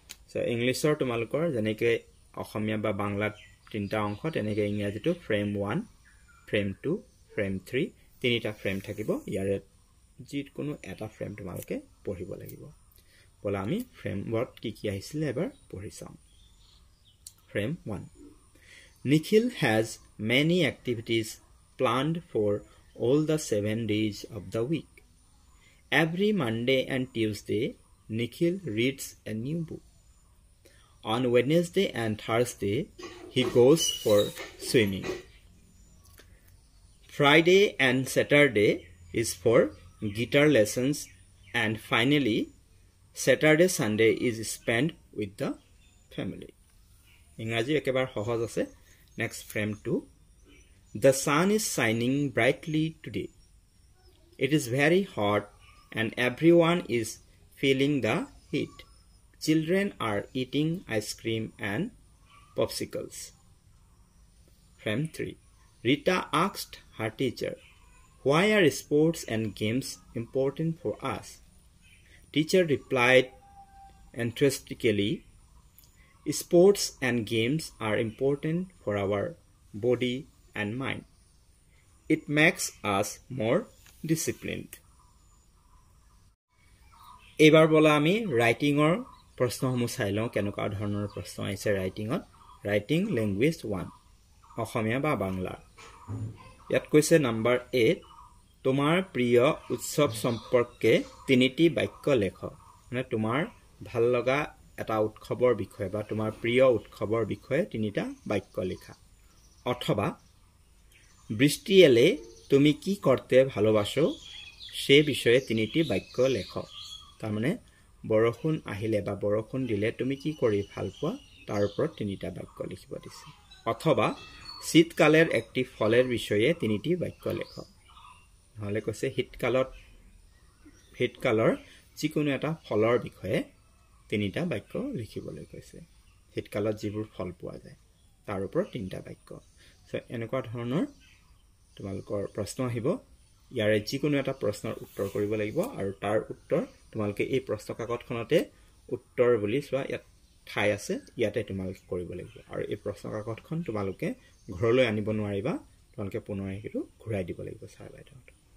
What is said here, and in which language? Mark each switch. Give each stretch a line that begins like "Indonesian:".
Assamese: চ' ইংলিছৰ তোমালোকৰ যেনেকৈ অসমীয়া বা বাংলাত 3টা অংশ, তেনেকৈ ইংৰাজীটো Frame 1, Frame 2, Frame 3, 3টা ফ্ৰেম থাকিব। ইয়াৰে যিকোনো এটা ফ্ৰেম তোমালোকে পঢ়িব লাগিব। বোলা আমি ফ্ৰেমবোৰত কি কি আহিছিলে এবাৰ পঢ়ি চাওঁ।
English: Frame 1, Nikhil has many activities planned for all the 7 days of the week. Every Monday and Tuesday, Nikhil reads a new book. On Wednesday and Thursday, he goes for swimming. Friday and Saturday is for guitar lessons, and finally, Saturday Sunday is spent with the family.
Assamese: ইংৰাজী একেবাৰে সহজ আছে।
English: Next, Frame 2, the sun is শ্বাইনিং ব্ৰাইটলি today, it is very hot and every one is filling the hit, children R eating ice cream and পপচিকলছ। Frame 3, Rita asked her teacher, why R sports and games important for আছ, teacher replied এণ্টাৰেষ্টিকেলি, Sports and games are important for our body and mind. It makes us more disciplined.
Assamese: এবাৰ বলা আমি ৰাইটিঙৰ প্ৰশ্নসমূহ চাই লওঁ, কেনেকুৱা ধৰণৰ প্ৰশ্ন আহিছে ৰাইটিঙত। ৰাইটিং Language 1, অসমীয়া বা বাংলা। ইয়াত কৈছে Number 8, তোমাৰ প্ৰিয় উৎসৱ সম্পৰ্কে 3টি বাক্য লেখ, মানে তোমাৰ ভাল লগা এটা উৎসৱৰ বিষয়ে বা তোমাৰ প্ৰিয় উৎসৱৰ বিষয়ে 3টা বাক্য লিখা।
Bangla: অথবা, বৃষ্টি এলে তুমি কি কৰোঁতে ভালোবাসো সেই বিষয়ে 3টি বাক্য লিখ। তাৰমানে
Assamese: বৰষুণ আহিলে বা বৰষুণ দিলে তুমি কি কৰি ভাল পোৱা তাৰ ওপৰত তিনিটা বাক্য লিখিব দিছে অথবা
Bangla: শীতকালের একটি ফলের বিষয়ে তিনিটি বাক্য লেখ
Assamese: নহলে কৈছে শীতকালৰ যিকোনো এটা ফলৰ বিষয়ে তিনিটা বাক্য লিখিবলৈ কৈছে শীতকালত যিবোৰ ফল পোৱা যায় তাৰ ওপৰত তিনিটা বাক্য সো এনেকুৱা ধৰণৰ তোমালোকৰ প্ৰশ্ন আহিব ইয়াৰে যিকোনো এটা প্ৰশ্নৰ উত্তৰ কৰিব লাগিব আৰু তাৰ উত্তৰ তোমালোকে এই প্ৰশ্ন কাকতখনতে উত্তৰ বুলি চোৱা ইয়াত ঠাই আছে ইয়াতে তোমালোকে কৰিব লাগিব আৰু এই প্ৰশ্ন কাকতখন তোমালোকে ঘৰলৈ আনিব নোৱাৰিবা তোমালোকে পুনৰ সেইটো ঘূৰাই দিব লাগিব ছাৰ বাইদেউহঁত